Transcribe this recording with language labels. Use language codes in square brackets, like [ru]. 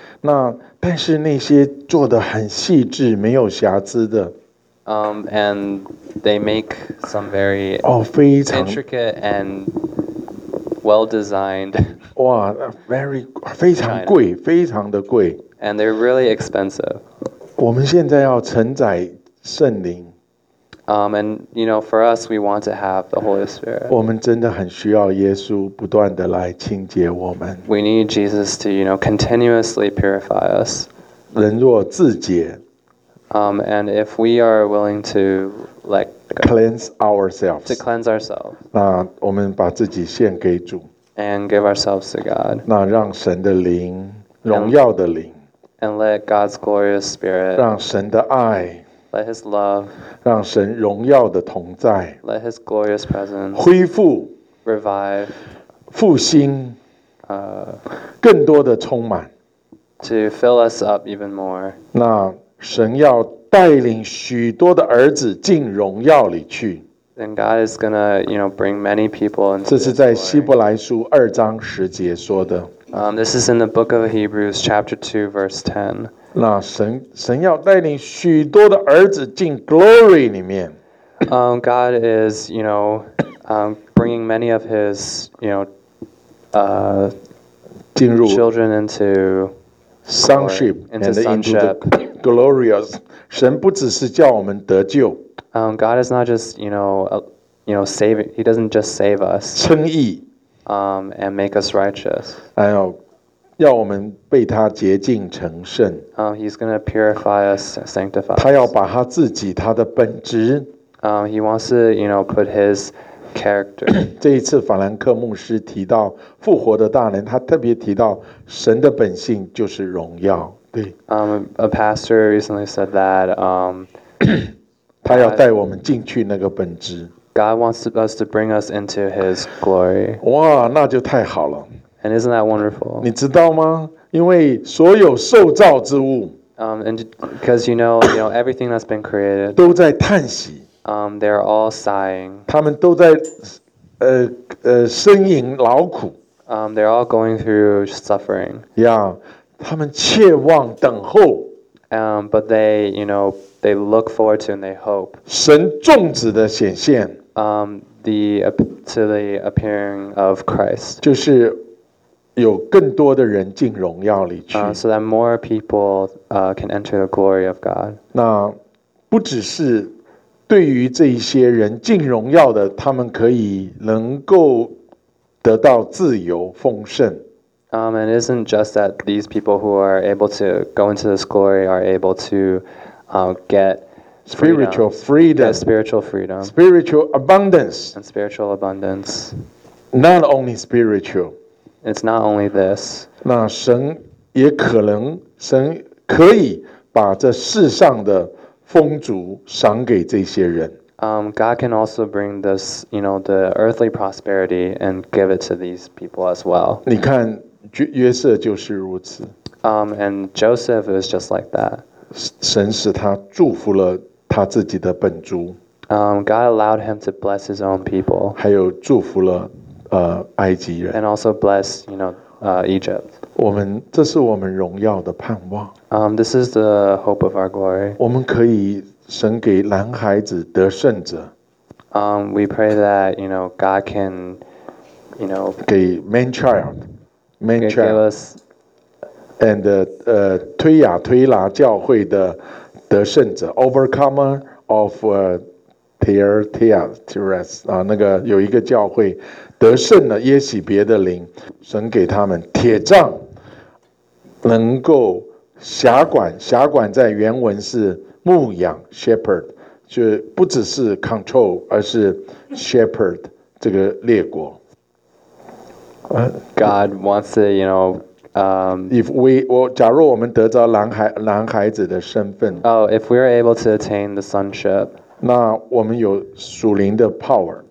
[zh] 那但是那些做的很细致，没有瑕疵的。 [en] And they make some very intricate and well-designed. [zh] 哇 ， [en] very [zh] 非常贵， China. 非常的贵。 [en] And they're really expensive. [zh] 我们现在要承载圣灵。 [en] And you know, for us, we want to have the Holy Spirit. [zh] 我们真的很需要耶稣不断的来清洁我们。 [en] We need Jesus to, you know, continuously purify us. [zh] 人若自洁。 [en] And if we are willing to like cleanse ourselves, to cleanse ourselves, [zh] 那我们把自己献给主 [en] and give ourselves to God, [zh] 那让神的灵，荣耀的灵 [en] and let God's glorious spirit, [zh] 让神的爱 [en] let His love, [zh] 让神荣耀的同在 [en] let His glorious presence, [zh] 恢复 [en] revive, [zh] 复兴 更多的充满 [en] to fill us up even more. [zh] 那神要带领许多的儿子进荣耀里去。 [en] And God is gonna, you know, bring many people into. [zh] 这是在希伯来书二章十节说的。 [en] This is in the book of Hebrews, chapter 2, verse 10. [zh] 那神要带领许多的儿子进 [en] glory [zh] 里面。 [en] God is, you know, bringing many of His, you know, [zh] 进入 [en] children into sonship and into the glorious. [zh] 神不只是叫我们得救。 [en] God is not just, you know, saving. He doesn't just save us. [zh] 称义。 [en] And make us righteous. [zh] 还有，要我们被他洁净成圣。 [en] He's going to purify us, sanctify us. [zh] 他要把他自己他的本质。 [en] He wants to, you know, put his character. [zh] 这一次法兰克牧师提到复活的大能，他特别提到神的本性就是荣耀。 [en] A pastor recently said that, [zh] 他要带我们进去那个本质。 [en] God wants us to bring us into His glory. [zh] 哇，那就太好了。 [en] And isn't that wonderful? [zh] 你知道吗？因为所有受造之物 [en] and because you know, everything that's been created [zh] 都在叹息。 [en] They're all sighing. [zh] 他们都在呻吟劳苦。 [en] They're all going through suffering. [zh] Yeah. 他们切望等候。 [en] But they, you know, they look forward to and they hope. [zh] 神众子的显现。 [en] to the appearing of Christ. [zh] 就是有更多的人进荣耀里去。 [en] So that more people can enter the glory of God. 那不只是对于这些人进荣耀的，他们可以能够得到自由丰盛。 And it isn't just that these people who are able to go into this glory are able to get freedom, spiritual freedom, spiritual freedom, spiritual abundance, and spiritual abundance. Not only spiritual. It's not only this. [zh] 那神也可能，神可以把这世上的丰足赏给这些人。 [en] God can also bring this, you know, the earthly prosperity and give it to these people as well. [zh] 你看约瑟就是如此。 [en] And Joseph is just like that. [zh] 神使他祝福了他自己的本族。 [en] God allowed him to bless his own people. [zh] 还有祝福了埃及人。 [en] And also bless, you know, Egypt. [zh] 我们这是我们荣耀的盼望。 [en] This is the hope of our glory. [zh] 我们可以神给男孩子得胜者。 [en] We pray that, you know, God can, you know, 给 man child. Give us [zh] and推雅推拉教会的得胜者 [en] overcomer of Thyatira's [zh] 那个有一个教会得胜了耶洗别的灵，神给他们铁杖，能够辖管。辖管在原文是牧养 shepherd， 就不只是 control， 而是 shepherd 这个列国。 [en] God wants to, you know, if we, [zh] 我假如我们得着男孩子的身份， [en] if we are able to attain the sonship, [zh] 那我们有属灵的 power,